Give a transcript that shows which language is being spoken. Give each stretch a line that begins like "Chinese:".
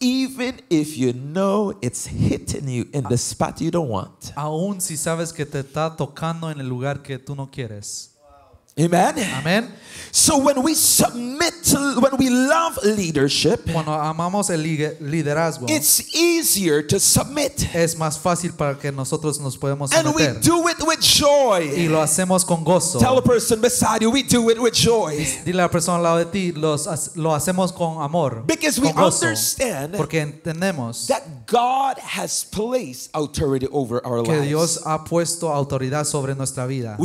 English: Even if you know it's hitting you in the spot you don't want.
Spanish: Aún si sabes que te está tocando en el lugar que tú no quieres.
English: Amen.
Spanish: Amen.
English: So when we submit, when we love leadership,
Spanish: cuando amamos el liderazgo,
English: it's easier to submit.
Spanish: Es más fácil para que nosotros nos podemos someter.
English: And we do it with joy.
Spanish: Y lo hacemos con gozo.
English: Tell a person beside you, we do it with joy.
Spanish: Dile a la persona al lado de ti, lo hacemos con amor.
English: Because we understand,
Spanish: porque entendemos,
English: that God has placed authority over our lives.
Spanish: Que Dios ha puesto autoridad sobre nuestra vida.